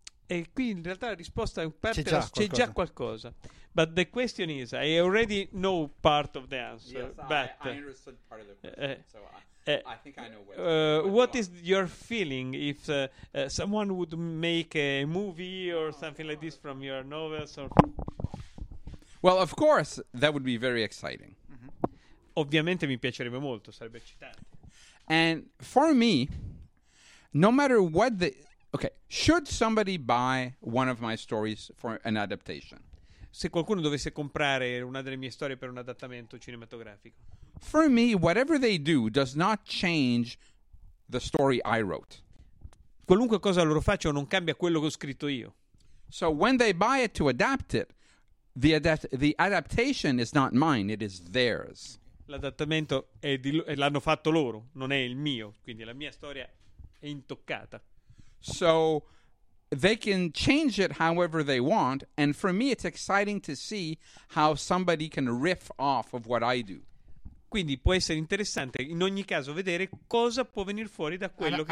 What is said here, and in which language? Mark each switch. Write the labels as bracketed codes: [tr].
[it] E qui in realtà la risposta è c'è già qualcosa. [en] But the question is, I already know part of the answer. Yes, but I understood part of the question. I think I know where. What is your feeling if someone would make a movie or something like this from your novels? Or well, of course, that would be very exciting. [it] Mm-hmm. Ovviamente mi piacerebbe molto, sarebbe eccitante. [en] And for me, no matter what the okay, should somebody buy one of my stories for an adaptation? [it] Se qualcuno dovesse comprare una delle mie storie per un adattamento cinematografico. [en] For me, whatever they do does not change the story I wrote. [it] Qualunque cosa loro facciano non cambia quello che ho scritto io. [en] So when they buy it to adapt it, the adaptation is not mine, it is theirs. [it] L'adattamento è di l'hanno fatto loro, non è il mio, quindi la mia storia è intoccata. [en] So they can change it however they want. And for me, it's exciting to see how somebody can riff off of what I do. [it] Quindi può essere interessante in ogni caso vedere cosa può venire fuori da quello che